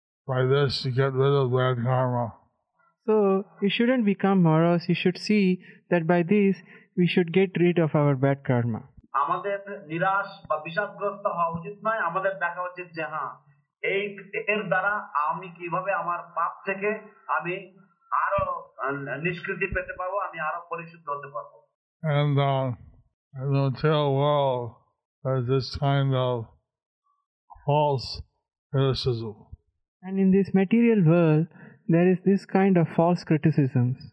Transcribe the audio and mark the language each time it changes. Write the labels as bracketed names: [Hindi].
[English] By this you get rid of bad karma. So you shouldn't become morose. You should see that by this we should get rid of our bad karma. [Bangla] আমাদের নিরাশ বা বিষাদগ্রস্ত হওয়া উচিত নয়। আমাদের দেখা উচিত যে হ্যাঁ, এর দ্বারা আমি কিভাবে আমার পাপ থেকে আমি আরো নিষ্কৃতি পেতে পারবো, আমি আরো পরিশুদ্ধ হতে পারবো। [English] And until well, there's this kind of false criticism. And in this material world, there is this kind of false criticism.